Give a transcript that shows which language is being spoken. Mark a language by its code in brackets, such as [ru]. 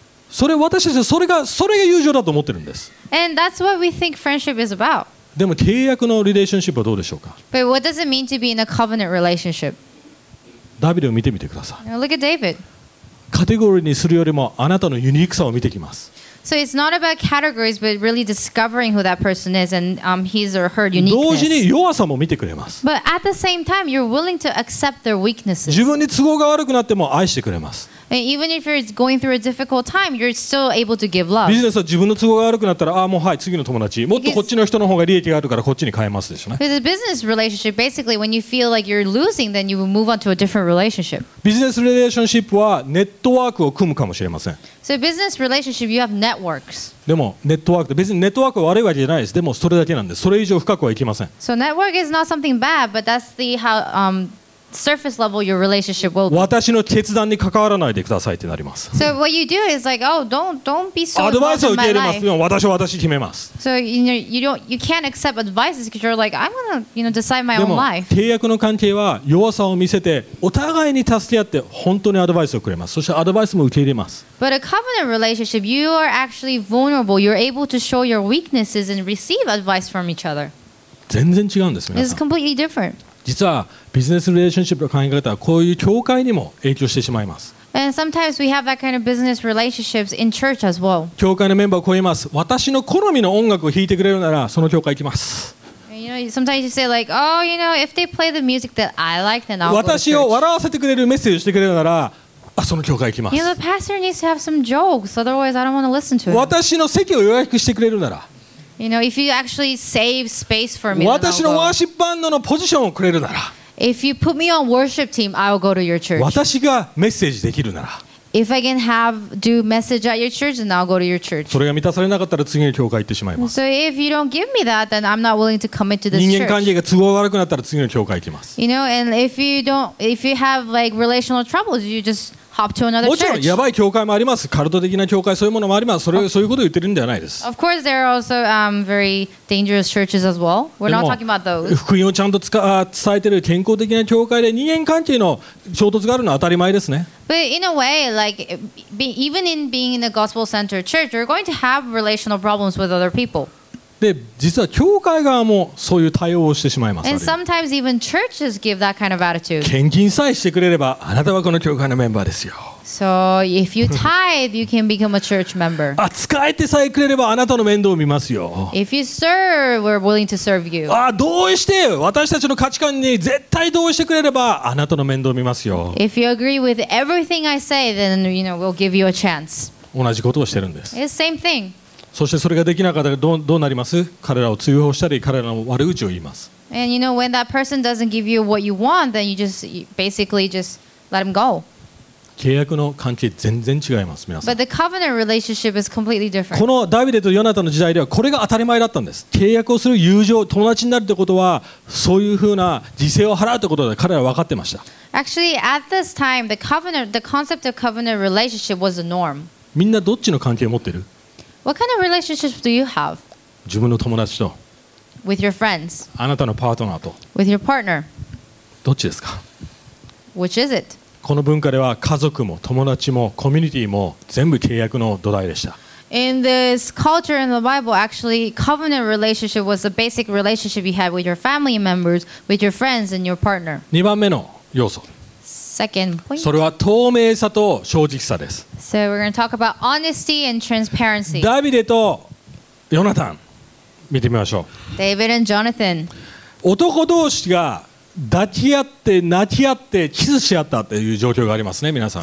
[ja] それ私たちはそれが友情だと思ってるんです。 [en] And that's what we think friendship is about. [ja] でも契約のリレーションシップはどうでしょうか。 [en] But what does it mean to be in a covenant relationship? [ja] ダビデを見てみてください。 [en] Look at David. [ja] カテゴリーにするよりもあなたのユニークさを見てきます。 [en] So it's not about categories, but really discovering who that person is and his or her uniqueness. [ja] 同時に弱さも見てくれます。 [en] But at the same time, you're willing to accept their weaknesses. [ja] 自分に都合が悪くなっても愛してくれます。 [en] And even if you're going through a difficult time, you're still able to give love. [ja] ビジネスは自分の都合が悪くなったら、ああもうはい次の友達、もっとこっちの人の方が利益があるからこっちに変えますでしょうね。 [en] Because a business relationship, basically, when you feel like you're losing, then you will move on to a different relationship. [ja] ビジネスリレーションシップはネットワークを組むかもしれません。 [en] So business relationship, you have networks. [ja] でもネットワークって別にネットワークは悪いわけじゃないです。でもそれだけなんです。それ以上深くはいきません。 [en] So network is not something bad, but that's the how surface level your relationship will be. [ja] 私の決断に関わらないでくださいってなります。 [en] So what you do is like, oh, don't be so. [ja] アドバイスを受け入れます。でも私は私決めます。 [en] So you can't accept advices because you're like, I'm gonna decide my own life. [ja] 契約の関係は弱さを見せてお互いに助け合って本当にアドバイスをくれます。そしてアドバイスも受け入れます。 [en] But a covenant relationship, you are actually vulnerable. You're able to show your weaknesses and receive advice from each other. [ja] 全然違うんです。 [en] It's completely different. [ja] 実はビジネスリレーションシップの考え方はこういう教会にも影響してしまいます。 [en] And sometimes we have that kind of business relationships in church as well. [ja] 教会のメンバーはこう言います。私の好みの音楽を弾いてくれるならその教会行きます。 [en] Sometimes you say like, oh, you know, if they play the music that I like, then I'll go to church. [ja] 私を笑わせてくれるメッセージをしてくれるならその教会行きます。 [en] You know, the pastor needs to have some jokes, otherwise I don't want to listen to it. [ja] 私の席を予約してくれるなら、 [en] you know, if you actually save space for me, then I'll go. [ja] 私のワーシップバンドのポジションをくれるなら、 [en] if you put me on worship team, I'll go to your church. [ja] 私がメッセージできるなら、 [en] if I can do message at your church, then I'll go to your church. [ja] それが満たされなかったら次の教会行ってしまいます。 [en] So if you don't give me that, then I'm not willing to commit to this church. [ja] 人間関係が都合悪くなったら次の教会行きます。 [en] You know, and if you have like relational troubles, you just hop to another church. [ja] もちろんやばい教会もあります。カルト的な教会そういうものもあります。それ、そういうことを言ってるんではないです。 [en] Of course, there are also very dangerous churches as well. We're not talking about those. [ja] 福音をちゃんと伝えてる健康的な教会で人間関係の衝突があるのは当たり前ですね。 [en] But in a way, like even in being in a gospel-centered church, you're going to have relational problems with other people. [ja] で、実は教会側もそういう対応をしてしまいます。 [en] And sometimes even churches give that kind of attitude. [ja] 献金さえしてくれれば、あなたはこの教会のメンバーですよ。 [en] So if you tithe, you can become a church member. [ja] あ、使えてさえくれればあなたの面倒を見ますよ。 [en] If you serve, we're willing to serve you. [ja] あ、同意して、私たちの価値観に絶対同意してくれればあなたの面倒を見ますよ。 [en] If you agree with everything I say, then you know we'll give you a chance. [ja] 同じことをしてるんです。 [en] It's same thing. [ja] そしてそれができなかったらどうなります？彼らを追放したり彼らの悪口を言います。 [en] And you know when that person doesn't give you what you want, then you just basically just let him go. [ja] 契約の関係全然違います、皆さん。 [en] But the covenant relationship is completely different. [ja] このダビデとヨナタの時代ではこれが当たり前だったんです。契約をする友情、友達になるってことはそういうふうな犠牲を払うってことで彼らは分かってました。 [en] Actually, at this time, the concept of covenant relationship was the norm. [ja] みんなどっちの関係を持ってる？ [en] What kind of relationship do you have? [ja] 自分の友達と、 [en] with your friends, [ja] あなたのパートナーと、 [en] with your partner, [ja] どっちですか？ [en] Which is it? [ja] この文化では家族も友達もコミュニティも全部契約の土台でした。 [en] In this culture in the Bible, actually, covenant relationship was the basic relationship you had with your family members, with your friends and your partner. [ja] 2番目の要素。 [en] Second point. [ja] それは透明さと正直さです。 [en] So we're going to talk about honesty and transparency. [ja] ダビデとヨナタン見てみましょう。 [en] David and Jonathan. [ja] 男同士が抱き合って泣き合ってキスし合ったという状況がありますね、皆さん。